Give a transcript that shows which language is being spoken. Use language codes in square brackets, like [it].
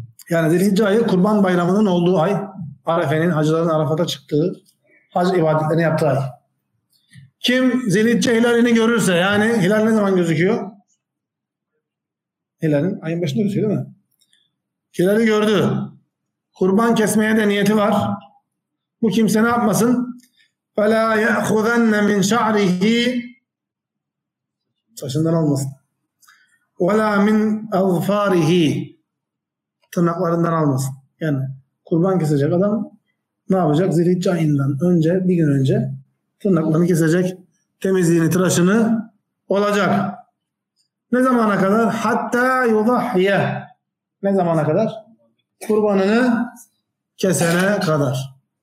[tr] Yani Zilhicce ayı kurban bayramının olduğu ay. Arefe'nin, hacıların Arafat'a çıktığı, hac ibadetlerini yaptığı ay. Kim Zilhicce hilalini görürse, yani hilal ne zaman gözüküyor? Hilalin ayın başında gözüküyor değil mi? Hilali gördü. Kurban kesmeye de niyeti var. Bu kimse ne yapmasın? [ar] فَلَا يَأْخُذَنَّ مِنْ شَعْرِهِ [tr] Saçından almasın. [ar] وَلَا مِنْ اَظْفَارِهِ [tr] Tırnaklarından almasın. Yani kurban kesecek adam ne yapacak? Zilhicce ayından önce, bir gün önce tırnaklarını kesecek. Temizliğini, tıraşını olacak. Ne zamana kadar? [ar] حَتَّى يُضَحْيَ [tr] Ne zamana kadar? Kurbanını kesene kadar.